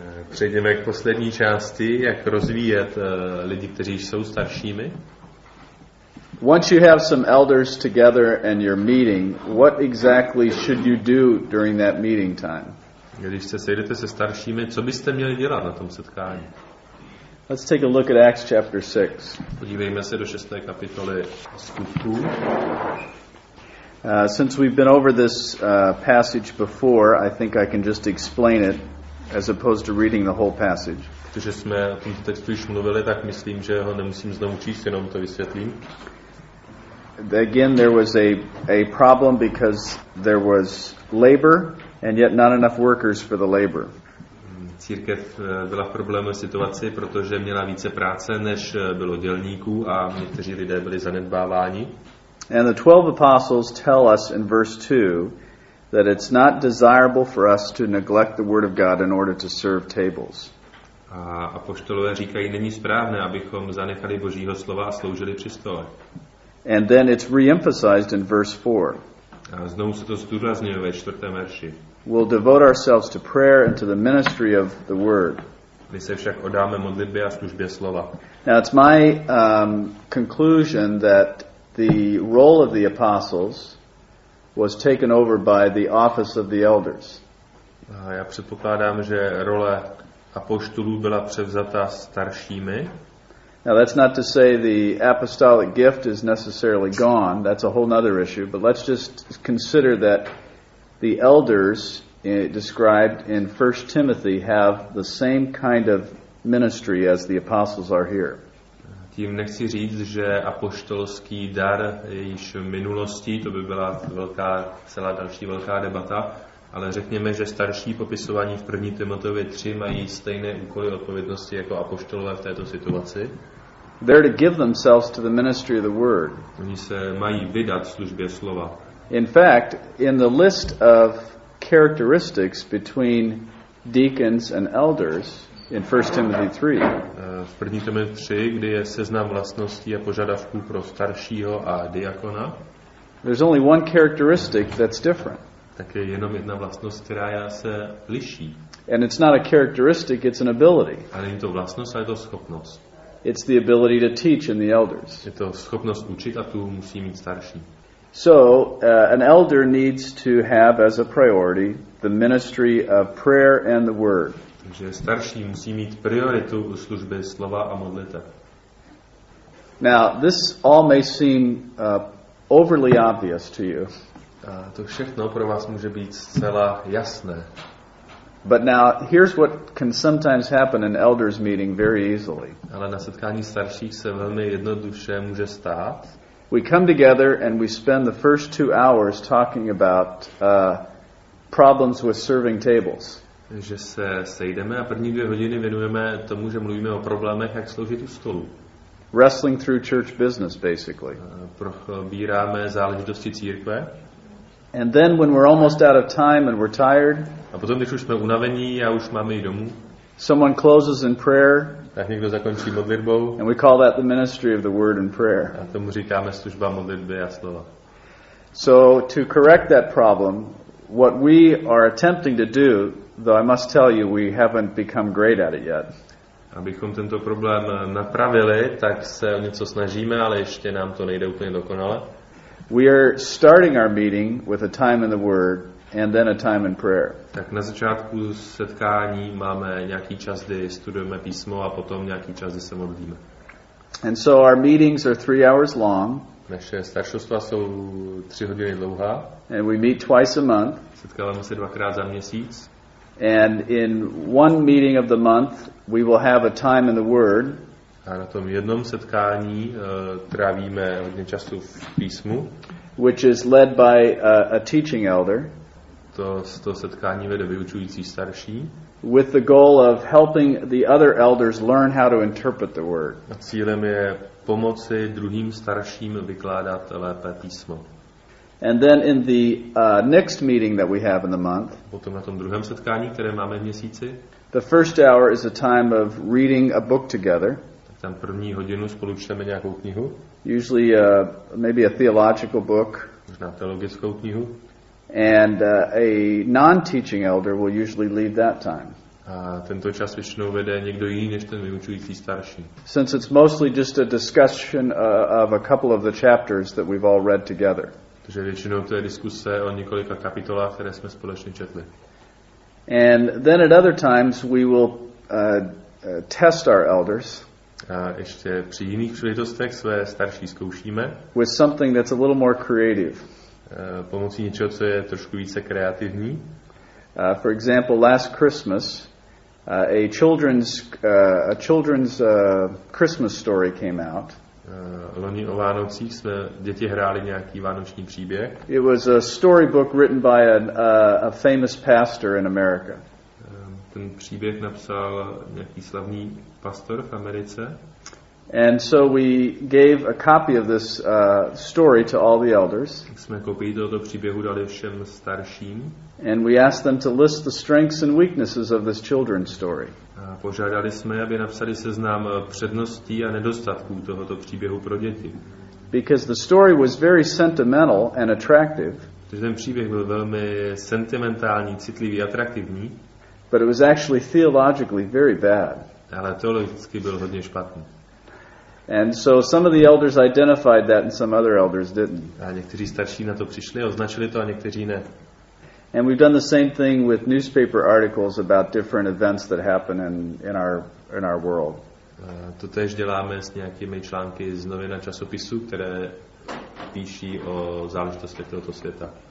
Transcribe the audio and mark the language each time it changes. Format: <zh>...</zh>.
<cs>Přejdeme k poslední části, jak rozvíjet lidi, kteří jsou staršími.</cs> <en>Once you have some elders together and you're meeting, what exactly should you do during that meeting time?</en> <cs>Když se sejdete se staršími, co byste měli dělat na tom setkání?</cs> <en>Let's take a look at Acts chapter 6.</en> <cs>Podívejme se do 6. kapitoly Skutků.</cs> <en>Since we've been over this passage before, I think I can just explain it as opposed to reading the whole passage.</en> <cs>Protože jsme o tomto textu už mluvili, tak myslím, že ho nemusím znovu číst, jenom to vysvětlím.</cs> <en>Again, there was a problem because there was labor and yet not enough workers for the labor.</en> <cs>Církev byla v problémové situaci, protože měla více práce, než bylo dělníků, a někteří lidé byli zanedbáváni.</cs> <en>And the 12 apostles tell us in verse 2 that it's not desirable for us to neglect the word of God in order to serve tables.</en> <cs>A apoštolové říkají, není správné, abychom zanechali Božího slova a sloužili při stole.</cs> <en>And then it's reemphasized in verse 4.</en> <cs>A znovu se to zdůrazňuje ve 4. verši.</cs> <en>We'll devote ourselves to prayer and to the ministry of the word.</en> <cs>My se však oddáme modlitbě a službě slova.</cs> <en>Now it's my conclusion that the role of the apostles was taken over by the office of the elders.</en> <cs>Já předpokládám, že role apoštolů byla převzata staršími.</cs> <en>Now that's not to say the apostolic gift is necessarily gone. That's a whole other issue. But let's just consider that the elders described in 1 Timothy have the same kind of ministry as the apostles are here.</en> <cs>Tím nechci říct, že apoštolský dar již v minulosti, to by byla velká, celá další velká debata, ale řekněme, že starší popisovaní v 1. Timoteovi 3 mají stejné úkoly odpovědnosti jako apoštolové v této situaci.</cs> <en>They're to give themselves to the ministry of the word.</en> <cs>Oni se mají vydat službě slova.</cs> <en>In fact, in the list of characteristics between deacons and elders in 1 Timothy 3.</en> <cs>V 1. Timoteovi 3, kde je seznam vlastností a požadavků pro staršího a diakona.</cs> <en>There's only one characteristic that's different.</en> <cs>Tak je jenom jedna vlastnost, která se liší.</cs> <en>And it's not a characteristic, it's an ability.</en> <cs>A není to vlastnost, ale je to schopnost.</cs> <en>It's the ability to teach in the elders.</en> <cs>Je to schopnost učit a tu musí mít starší.</cs> <en>So, an elder needs to have as a priority the ministry of prayer and the word.</en> <cs>Takže starší musí mít prioritu u služby slova a modlitev.</cs> <en>Now, this all may seem overly obvious to you.</en> <cs>A to všechno pro vás může být zcela jasné.</cs> <en>But now, here's what can sometimes happen in elders' meeting very easily.</en> <cs>Ale na setkání starších se velmi jednoduše může stát.</cs> <en>We come together and we spend the first 2 hours talking about problems with serving tables.</en> <cs>Že se sejdeme a první 2 hodiny věnujeme tomu, že mluvíme o problémech, jak sloužit u stolu.</cs> <en>Wrestling through church business, basically.</en> <cs>Probíráme záležitosti církve.</cs> <en>And then when we're almost out of time and we're tired,</en> <cs>a potom, když už jsme unavení a už máme jít domů,</cs> <en>someone closes in prayer,</en> <cs>tak někdo zakončí modlitbou,</cs> <en>and we call that the ministry of the word and prayer.</en> <cs>A tomu říkáme služba modlitby a slova.</cs> <en>So to correct that problem, what we are attempting to do, though I must tell you we haven't become great at it yet.</en> <cs>Abychom tento problém napravili, tak se o něco snažíme, ale ještě nám to nejde úplně dokonale.</cs> <en>We are starting our meeting with a time in the word and then a time in prayer.</en> <cs>Tak na začátku setkání máme nějaký čas, kdy studujeme písmo a potom nějaký čas, kdy se modlíme.</cs> <en>And so our meetings are 3 hours long.</en> <cs>Naše staršostva jsou 3 hodiny dlouhá.</cs> <en>And we meet twice a month.</en> <cs>Setkáváme se dvakrát za měsíc.</cs> <en>And in one meeting of the month, we will have a time in the word.</en> <cs>A na tom jednom setkání trávíme hodně času v písmu.</cs> <en>Which is led by a teaching elder.</en> <cs>To setkání vede vyučující starší.</cs> <en>With the goal of helping the other elders learn how to interpret the word.</en> <cs>A cílem je pomoci druhým starším vykládat lépe písmo.</cs> <en>And then in the next meeting that we have in the month.</en> <cs>Potom na tom druhém setkání, které máme v měsíci.</cs> <en>The first hour is a time of reading a book together.</en> <cs>Tam první hodinu spolu čteme nějakou knihu.</cs> <en>Usually maybe a theological book.</en> <cs>Možná teologickou knihu.</cs> <en>And a non-teaching elder will usually lead that time.</en> <cs>A tento čas většinou vede někdo jiný než ten vyučující starší.</cs> <en>Since it's mostly just a discussion of a couple of the chapters that we've all read together.</en> <cs>Takže většinou to je diskuse o několika kapitolách, které jsme společně četli.</cs> <en>And then at other times we will test our elders.</en> <cs>A ještě při jiných příležitostech své starší zkoušíme.</cs> <en>With something that's a little more creative.</en> <cs>Pomocí něčeho, co je trošku více kreativní.</cs> <en>For example, last Christmas, a children's Christmas story came out.</en> <cs>Loni o Vánocích jsme děti hráli nějaký vánoční příběh.</cs> <en>It was a storybook written by a famous pastor in America.</en> <cs>Ten příběh napsal nějaký slavný pastor v Americe.</cs> <en>And so we gave a copy of this story to all the elders.</en> <cs>Jsme kopii tohoto příběhu dali všem starším.</cs> <en>And we asked them to list the strengths and weaknesses of this children's story.</en> <cs>A požádali jsme, aby napsali seznam předností a nedostatků tohoto příběhu pro děti.</cs> <en>Because the story was very sentimental and attractive.</en> <cs>Protože ten příběh byl velmi sentimentální, citlivý, atraktivní.</cs> <en>But it was actually theologically very bad.</en> <cs>Ale teologicky byl hodně špatný.</cs> <en>And so some of the elders identified that and some other elders didn't.</en> <cs>A někteří starší na to přišli, označili to a někteří ne.</cs> <en>And we've done the same thing with newspaper articles about different events that happen in our world.</en> <cs>To též děláme s nějakými články z novin a časopisů, které píší o záležitostech tohoto světa.</cs>